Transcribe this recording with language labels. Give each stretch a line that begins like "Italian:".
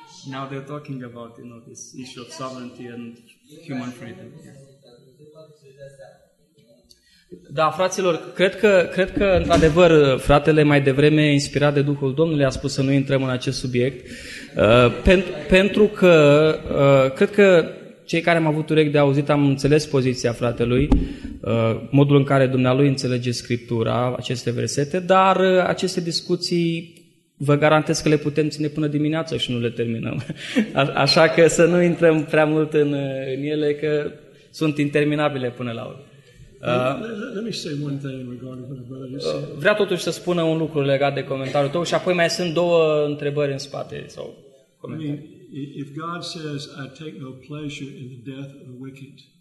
English: Now they're talking about, you know, this issue of sovereignty and human freedom.
Romanian: Da, fraților, cred că într-adevăr fratele mai devreme, inspirat de Duhul Domnului, a spus să nu intrăm în acest subiect. Pentru că cred că cei care am avut urechi de auzit am înțeles poziția fratelui, modul în care dumnealui înțelege Scriptura, aceste versete, dar aceste discuții vă garantez că le putem ține până dimineață și nu le terminăm. Așa că să nu intrăm prea mult în ele, că sunt interminabile până la urmă.
English: Let me say one thing in regard to the brother.
Romanian: Vrea totuși să spună un lucru legat de comentariul tău și apoi mai sunt două întrebări în spate sau comentarii.
English: If God says I take no pleasure in the death of the wicked.